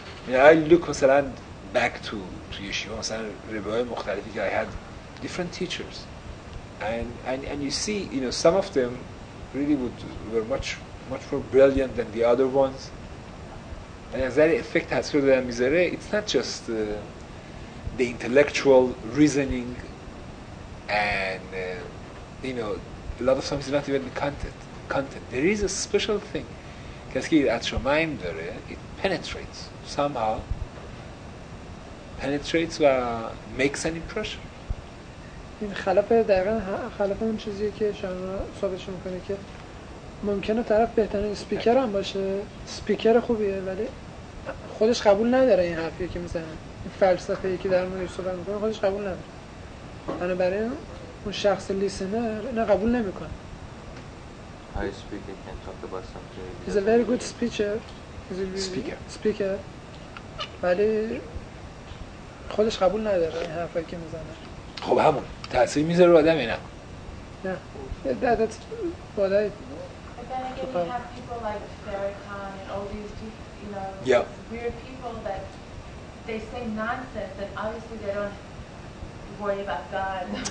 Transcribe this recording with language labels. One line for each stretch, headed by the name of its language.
English: I look مثلا back to Yeshiva,
Persian: مثلا ربای مختلفی که
English: I had different teachers and you see, you know, some of them really were much more brilliant than the other ones, and as that effect has through them میذاره, it's not just the intellectual reasoning and you know, a lot of times it's not even the content. There is a special thing, because it at shomayim dare, it penetrates somehow, penetrates or makes an impression.
Persian: In خلاف دقیقاً خلاف اون چیزیه که شما صحبتش میکنه که ممکنه طرف بهترین اسپیکر هم باشه، اسپیکر خوبیه، ولی خودش قبول نداره این حرفی که میزنه، فلسفه‌ای که در مورد یوسف میکنه خودش قبول نداره. بنابراین اون شخص لیسنر اینا قبول نمیکنه.
English: High speaker can talk about something. He's a very good speaker. He's a speaker.
Persian: ولی خودش قبول نداره این حرفی که میزنه. خب همون تاثیر میذاره رو آدم اینا.
English: نه. That's what I But then again, you have people like Farrakhan and all these deep, you know, weird people that they say nonsense that obviously they don't worry about God.